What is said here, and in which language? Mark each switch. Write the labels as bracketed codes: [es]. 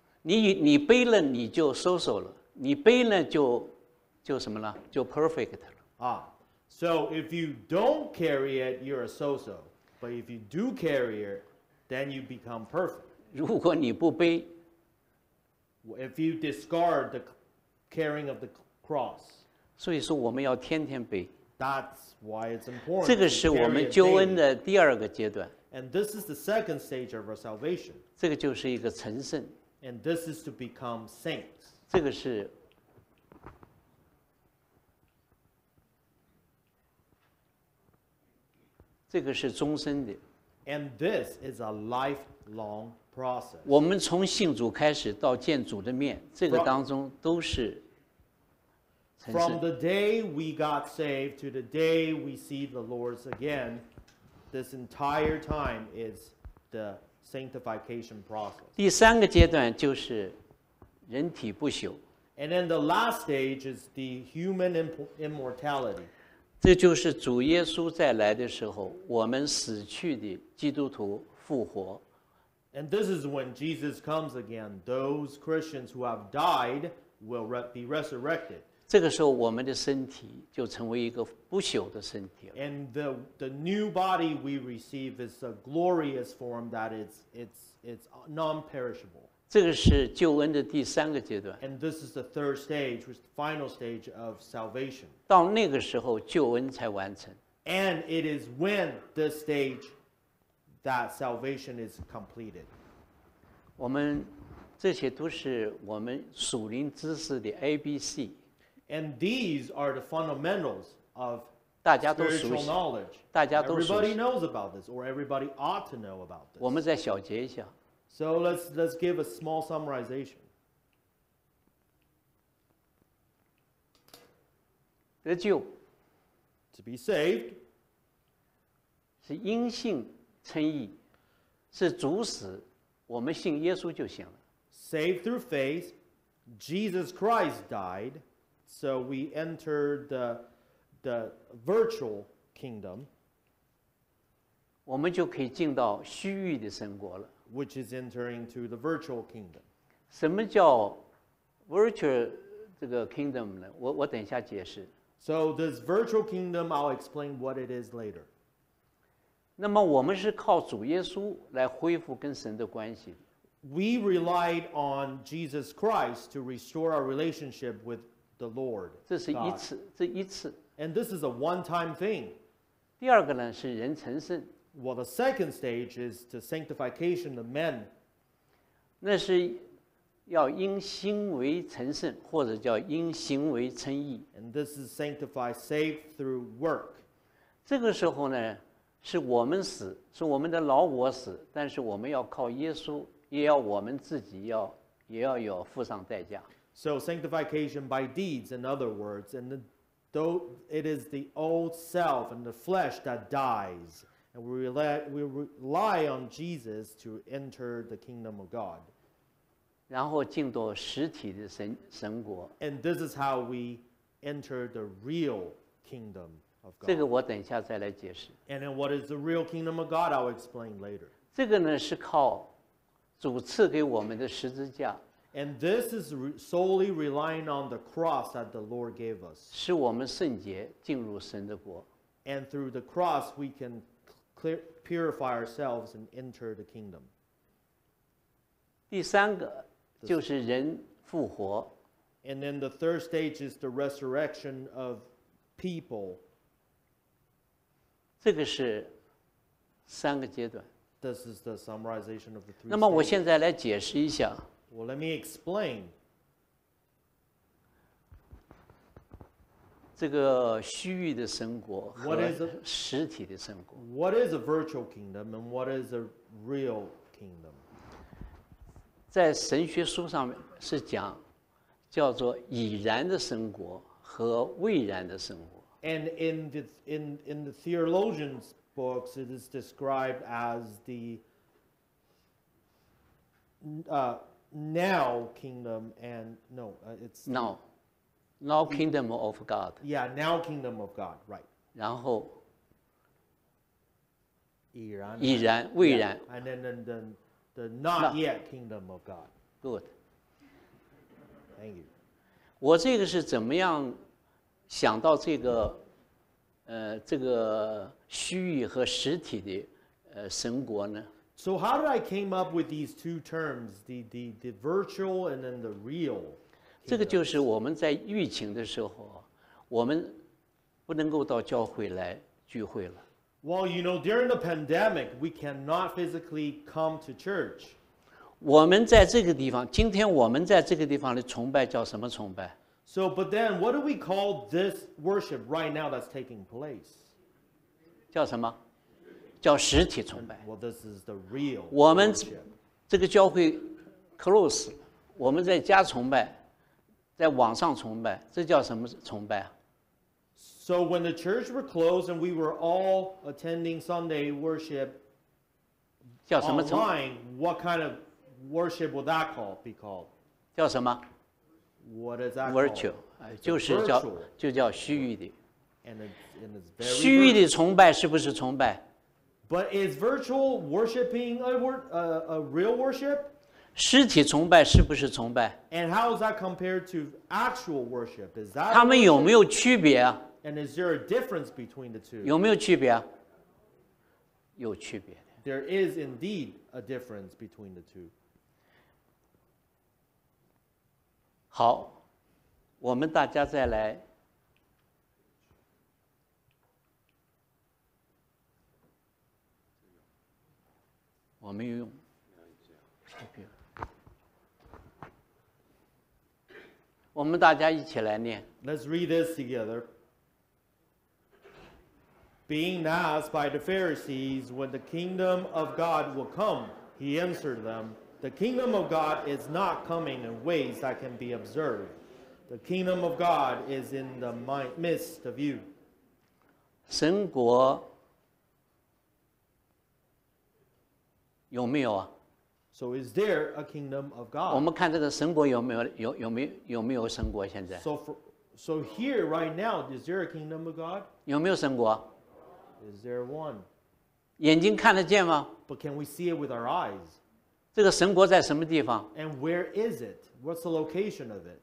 [zh] 你背了你就收手了，你背了就什么了？就 perfect 了。 [en] Ah, so if you don't carry it, you're a so-so. But if you do carry it, then you become perfect. [zh] 如果你不背 [en] ，if you discard the carrying of the cross, [zh] 所以说我们要天天背。 [en] That's why it's important. [zh] 这个是我们救恩的第二个阶段。 [en] And this is the second stage of our salvation. [zh] 这个就是一个成圣。 [en] And this is to become saints. [zh] 这个是。这个是终身的。 [en] And this is a lifelong process. [zh] 我们从信主开始到见主的面，这个当中都是。 [en] From the day we got saved to the day we see the Lord's again, this entire time is the sanctification process. [zh] 第三个阶段就是人体不朽。 [en] And then the last stage is the human immortality. [zh] 这就是主耶稣再来的时候，我们死去的基督徒复活。 [en] And this is when Jesus comes again. Those Christians who have died will be resurrected. [zh] 这个时候我们的身体就成为一个不朽的身体了。 [en] And the new body we receive is a glorious form that it's non-perishable. [zh] 这个是救恩的第三个阶段。 [en] And this is the third stage, which is the final stage of salvation. [zh] 到那个时候救恩才完成。 [en] And it is when this stage that salvation is completed. [zh] 我们这些都是我们属灵知识的 ABC。 [en] And these are the fundamentals of [zh] 大家都熟悉 [en] spiritual knowledge. [zh] 大家都熟悉 [en] everybody knows about this, or everybody ought to know about this. [zh] 我们再小结一下。 [en] So let's give a small summarization. [zh] 得救 [en] To be saved. [zh] 是因信称义，是主死，我们信耶稣就行了。 [en] Saved through faith, Jesus Christ died. So we enter the virtual kingdom. [zh] 我们就可以进到虚臾的神国了。 [en] Which is entering to the virtual kingdom. [zh] 什么叫 virtual 这个 kingdom 呢？我等一下解释。 [en] So this virtual kingdom, I'll explain what it is later. [zh] 那么我们是靠主耶稣来恢复跟神的关系。 [en] We relied on Jesus Christ to restore our relationship with God. The Lord. [zh] 这是一次，这一次。 [en] And this is a one-time thing. [zh] 第二个呢，是人成圣。 [en] Well, the second stage is the sanctification of men. [zh] 那是要因行为成圣，或者叫因行为称义。 [en] And this is sanctified, saved through work. [zh] 这个时候呢，是我们死，是我们的老我死，但是我们要靠耶稣，也要我们自己要，也要有付上代价。 [en] So sanctification by deeds, in other words, and though it is the old self and the flesh that dies, and we rely on Jesus to enter the kingdom of God. [zh] 然后进到实体的神国。 [en] And this is how we enter the real kingdom of God. [zh] 这个我等一下再来解释。 [en] And then what is the real kingdom of God? I'll explain later. [zh] 这个呢是靠主赐给我们的十字架。 [en] And this is solely relying on the cross that the Lord gave us. [zh] 使我们圣洁进入神的国。 [en] And through the cross, we can purify ourselves and enter the kingdom. [zh] 第三个就是人复活。 [en] And then the third stage is the resurrection of people. [zh] 这个是三个阶段。 [en] This is the summarization of the three [zh] stages. 那么我现在来解释一下。 [en] Well, let me explain. [zh] 这个虚臾的神国和实体的神国。 [en] What is a virtual kingdom and what is a real kingdom? [zh] 在神学书上面是讲叫做已然的神国和未然的神国。 [en] And in the theologians' books, it is described as the now kingdom and no it's now Now kingdom of God. Yeah, now kingdom of God, right. [zh] 然后已然未然 [en] And then the not yet kingdom of God. Good. Thank you. [zh] 我这个是怎么样想到这个这个虚拟和实体的神国呢？ [en] So how did I came up with these two terms, the virtual and then the real? [zh] 这个就是我们在疫情的时候，我们不能够到教会来聚会了。 [en] Well, you know, during the pandemic, we cannot physically come to church. [zh] 我们在这个地方，今天我们在这个地方的崇拜叫什么崇拜？ [en] So, but then, what do we call this worship right now that's taking place? [zh] 叫什么？叫实体崇拜。 [en] Well, this is the real. [zh] 我们这个教会 close， 我们在家崇拜，在网上崇拜，这叫什么崇拜？ [en] So when the church were closed and we were all attending Sunday worship online, what kind of worship would that call be called? [zh] 叫什么？ [en] What is that virtual, called? [zh] 就是叫 [en] virtual, [zh] 就叫虚拟的。 [en] And it's very [zh] 虚拟的崇拜是不是崇拜？ [en] But is virtual worshiping a real worship? [zh] 实体崇拜是不是崇拜？ [en] And how is that compared to actual worship? Is that [zh] 他们有没有区别？ [en] And is there a difference between the two? [zh] 有没有区别？有区别的。 [en] There is indeed a difference between the two. [zh] 好，我们大家再来我们用我们大家一起来念 [en] Let's read this together. Being asked by the Pharisees when the kingdom of God will come, he answered themThe kingdom of God is not coming in ways that can be observed. The kingdom of God is in the midst of you. [zh] 神国有没有啊？ [en] So is there a kingdom of God? [zh] 我们看这个神国有没有有没有神国现在？ [en] So here right now, is there a kingdom of God? [zh] 有没有神国？ [en] Is there one? [zh] 眼睛看得见吗？ [en] But can we see it with our eyes? [zh] 这个神国在什么地方 [en] ？And where is it? What's the location of it?